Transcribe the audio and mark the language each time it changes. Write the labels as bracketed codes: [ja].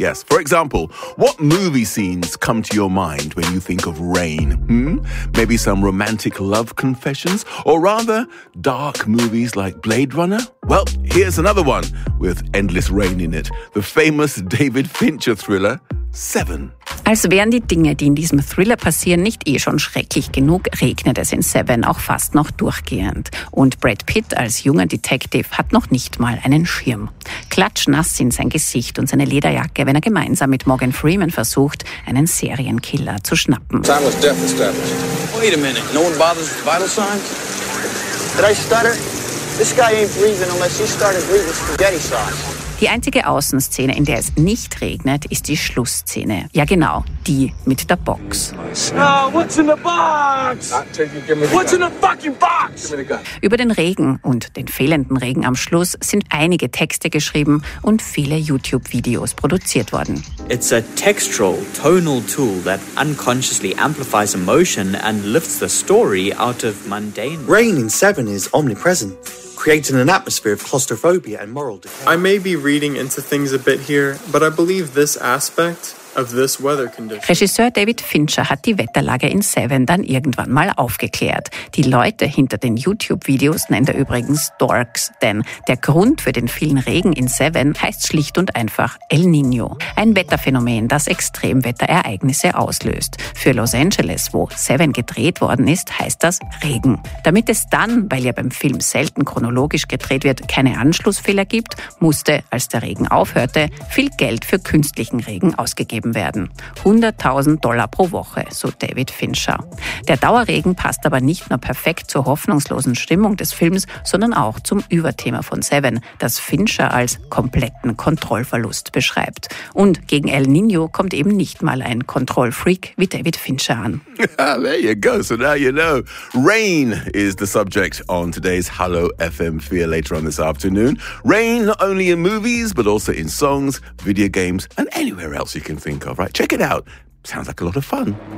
[en] Yes, for example, what movie scenes come to your mind when you think of rain? Maybe some romantic love confessions, or rather dark movies like Blade Runner? Well, here's another one with endless rain in it. The famous David Fincher thriller, Seven. [de] Als wären die Dinge, die in diesem Thriller passieren, nicht eh schon schrecklich genug, regnet es in Seven auch fast noch durchgehend. Und Brad Pitt als junger Detective hat noch nicht mal einen Schirm. Klatschnass sind sein Gesicht und seine Lederjacke, wenn er gemeinsam mit Morgan Freeman versucht, einen Serienkiller zu schnappen. [en] Time was death established. Wait a minute. No one bothers with vital signs? Did I stutter? This guy ain't breathing unless he started breathing spaghetti sauce. [de] Die einzige Außenszene, in der es nicht regnet, ist die Schlussszene. Ja genau, die mit der Box. [en] Oh, what's in the box? What's in the fucking box? [de] Über den Regen und den fehlenden Regen am Schluss sind einige Texte geschrieben und viele YouTube-Videos produziert worden. [en] It's a textural, tonal tool that unconsciously amplifies emotion and lifts the story out of mundane... Rain in Seven is omnipresent. Creating an atmosphere of claustrophobia and moral decay. I may be reading into things a bit here, but I believe this aspect of this weather condition. [de] Regisseur David Fincher hat die Wetterlage in Seven dann irgendwann mal aufgeklärt. Die Leute hinter den YouTube-Videos nennt er übrigens Dorks, denn der Grund für den vielen Regen in Seven heißt schlicht und einfach El Niño. Ein Wetterphänomen, das Extremwetterereignisse auslöst. Für Los Angeles, wo Seven gedreht worden ist, heißt das Regen. Damit es dann, weil ja beim Film selten chronologisch gedreht wird, keine Anschlussfehler gibt, musste, als der Regen aufhörte, viel Geld für künstlichen Regen ausgegeben werden. $100,000 pro Woche, so David Fincher. Der Dauerregen passt aber nicht nur perfekt zur hoffnungslosen Stimmung des Films, sondern auch zum Überthema von Seven, das Fincher als kompletten Kontrollverlust beschreibt. Und gegen El Niño kommt eben nicht mal ein Kontrollfreak wie David Fincher an. [en] There you go, so now you know. Rain is the subject on today's Hallo FM Fear later on this afternoon. Rain not only in movies, but also in songs, video games, and anywhere else you can think of, right? Check it out. Sounds like a lot of fun.